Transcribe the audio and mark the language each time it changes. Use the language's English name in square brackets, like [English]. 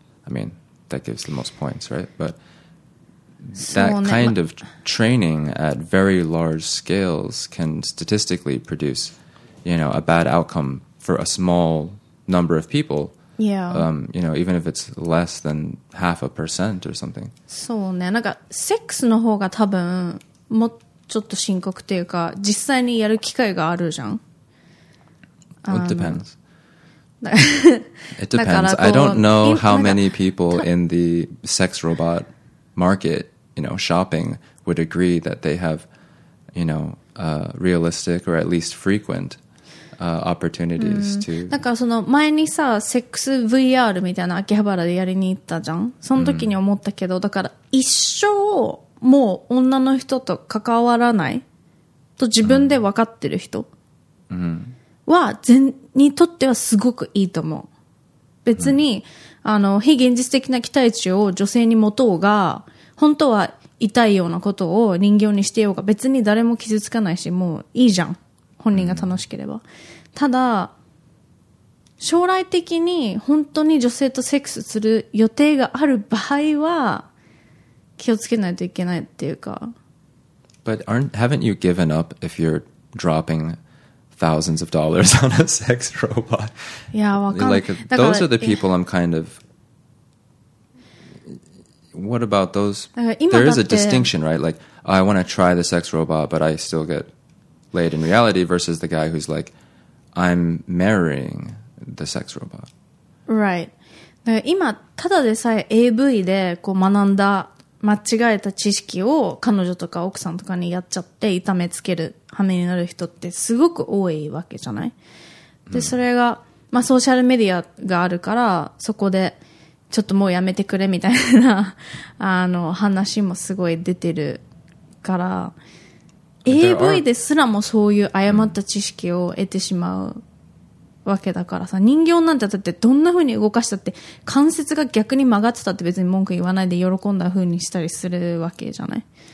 [English] I mean, that gives the most points, right? But that kind of training at very large scales can statistically produce, you know, a bad outcome for a small number of people. Yeah. You know, even if it's less than half a percent or something. [Japanese] そうね。なんかセックスの方が多分もちょっと深刻というか、実際にやる機会があるじゃん。 [English] It depends. It depends. I don't know how many people in the sex robot market, you know, shopping would agree that they have, you know, realistic or at least frequent opportunities to. [Japanese] なんかその前にさ、セックス VR みたいな秋葉原でやりに行ったじゃん。その時に思ったけど、だから一生もう女の人と関わらないと自分で分かってる人は全にとってはすごくいいと思う。別に、あの、非現実的な期待値を女性に持とうが、本当は痛いようなことを人形にしてようが、別に誰も傷つかないし、もういいじゃん。本人が楽しければ。ただ、将来的に本当に女性とセックスする予定がある場合は、気をつけないといけないっていうか。 [English] But haven't you given up if you're dropping thousands of dollars on a sex robot? [Japanese] Yeah, わかんない。 [English] Those are the people I'm kind of... What about those? There is a distinction, right? Like, I want to try the sex robot, but I still get laid in reality versus the guy who's like, I'm marrying the sex robot. Right. [Japanese] 今、ただでさえ AV でこう学んだ間違えた知識を彼女とか奥さんとかにやっちゃって痛めつける羽目になる人ってすごく多いわけじゃない？で、それが、まあソーシャルメディアがあるから、そこで、ちょっともうやめてくれみたいな、話もすごい出てるから、AV ですらもそういう誤った知識を得てしまうわけだからさ、人形なんてだってどんな風に動かしたって、関節が逆に曲がってたって別に文句言わないで喜んだ風にしたりするわけじゃない？